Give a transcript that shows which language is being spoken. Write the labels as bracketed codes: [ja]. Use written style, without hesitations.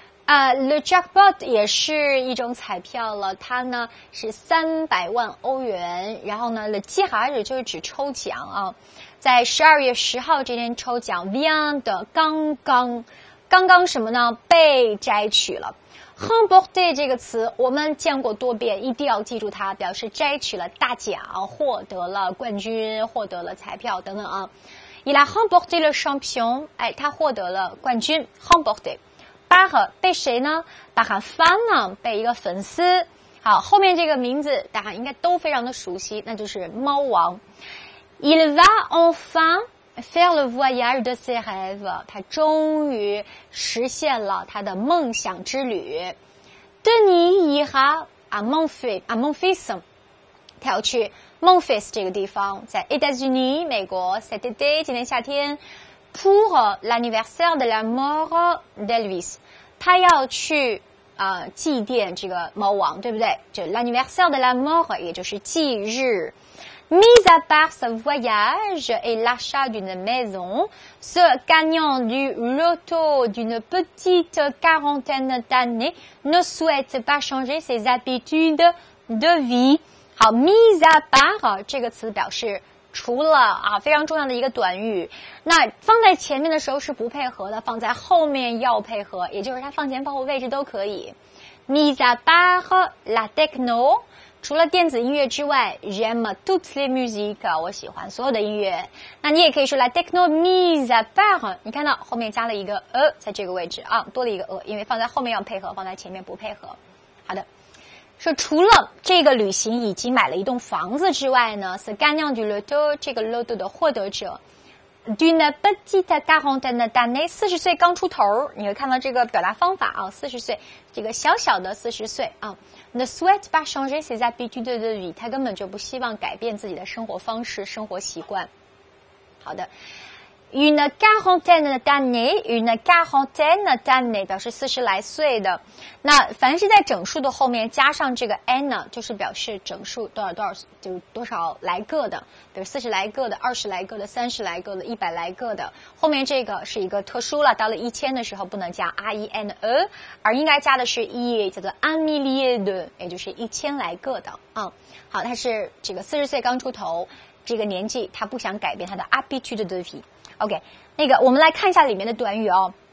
[fr] Le jackpot [zh] 也是一种彩票了，它呢是300万欧元，然后呢 ，le tirage 就是指抽奖啊，在12月10号这天抽奖 ， [fr] vient de [zh] 刚刚什么呢？被摘取了。 [fr] Remporté [zh] 这个词我们见过多遍，一定要记住它，表示摘取了大奖，获得了冠军，获得了彩票等等啊。 [fr] Il a remporté le champion， [zh] 哎，他获得了冠军 [fr] ，remporté。 [zh] 巴赫被谁呢？巴赫翻呢？被一个粉丝。好，后面这个名字大家应该都非常的熟悉，那就是猫王。 [fr] Il va enfin faire le voyage de ses rêves， [zh] 他终于实现了他的梦想之旅。 [fr] Denis ira à Memphis， [zh] 他要去 Memphis 这个地方，在 États-Unis 美国 ， [fr] cet été [zh] 今年夏天。 [fr] Pour l'anniversaire de la mort d'Elvis, [zh] 他要去祭奠这个猫王，对不对？就 [fr] l'anniversaire de la mort, [zh] 也就是忌日。 [fr] Mis à part ce voyage et l'achat d'une maison, ce gagnant du loto d'une petite quarantaine d'années ne souhaite pas changer ses habitudes de vie. [zh] 好 , [fr] mis à part, [zh] 这个词表示除了啊，非常重要的一个短语，那放在前面的时候是不配合的，放在后面要配合，也就是它放前放后位置都可以。 [fr] Mis à part la techno， [zh] 除了电子音乐之外 [fr] ，j'aime toutes les musiques， [zh] 我喜欢所有的音乐。那你也可以说 [fr] la techno mis à part， [zh] 你看到后面加了一个在这个位置啊，多了一个因为放在后面要配合，放在前面不配合。好的。说除了这个旅行以及买了一栋房子之外呢 ， [fr] ce gagnant du loto [zh] 这个 loto 的获得者 ， [fr] d'une petite quarantaine d'années [zh] 四十岁刚出头你会看到这个表达方法啊，四十岁，这个小小的四十岁啊 ， [fr] ne souhaite pas changer ses habitudes de vie [zh] 他根本就不希望改变自己的生活方式、生活习惯。好的 [fr] ，une quarantaine d'années， une quarantaine d'années [zh] 表示四十来岁的。那凡是在整数的后面加上这个 n 就是表示整数多少多少就多少来个的比如40来个的20来个的30来个的100来个的后面这个是一个特殊了到了1000的时候不能加 INE 而应该加的是 E 叫做 [fr] un millier de [zh] 也就是1000来个的、好他是这个40岁刚出头这个年纪他不想改变他的 [fr] habitude de vie [zh] OK 那个我们来看一下里面的短语哦